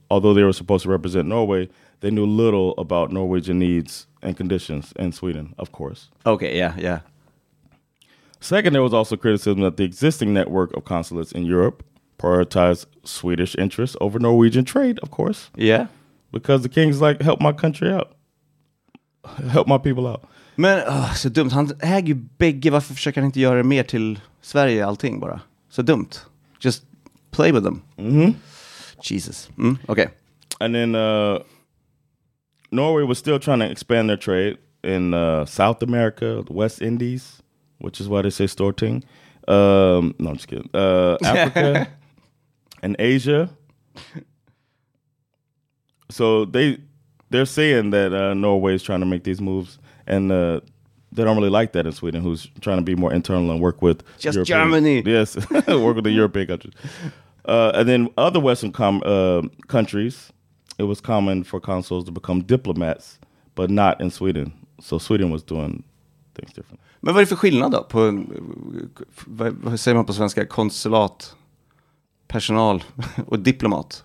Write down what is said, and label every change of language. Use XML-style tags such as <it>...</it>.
<en>Although they were supposed to represent Norway, they knew little about Norwegian needs and conditions in Sweden, of course. Okay, yeah, yeah. Second, there was also criticism that the existing network of consulates in Europe prioritized Swedish interests over Norwegian trade, of course. Yeah. Because the king's like, help my country out. Help my people out.</en> <sv>Men, så dumt. Han äger ju bägge. Varför försöker han inte göra mer till Sverige allting bara? Så dumt. Just</sv> <en>play with them. Mm-hmm. Jesus. Mm, okay. And then Norway was still trying to expand their trade in South America, the West Indies, which is why they say Storting. No, I'm just kidding. Africa and Asia. So they're saying that Norway is trying to make these moves, and they don't really like that in Sweden, who's trying to be more internal and work with just European, Germany. Yes, work with the European countries. And then other Western countries, it was common for consuls to become diplomats, but not in Sweden. So Sweden was doing things different.</en> <sv>Men vad är det för skillnad då? På, vad säger man på svenska? Konsulat, personal och diplomat.</sv>